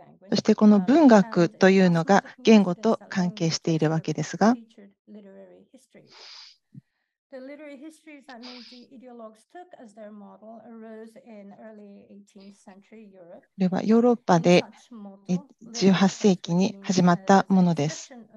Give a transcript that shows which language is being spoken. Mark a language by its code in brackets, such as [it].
[ja] そしてこの文学というのが言語と関係しているわけですが、 [en] The literary histories that Meiji ideologues took as their model arose in early 18th century Europe. [ja] これはヨーロッパで18世紀に始まったものです。